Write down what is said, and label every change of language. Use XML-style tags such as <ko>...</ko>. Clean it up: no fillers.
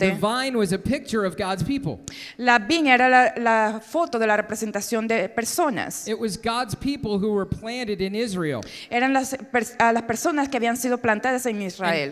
<en>the vine was a picture of God's people.</en> <es>La viña era la foto de la representación de personas.</es> <en>It was God's people who were planted in Israel.</en> <es>Eran las personas que habían sido plantadas en Israel.</es>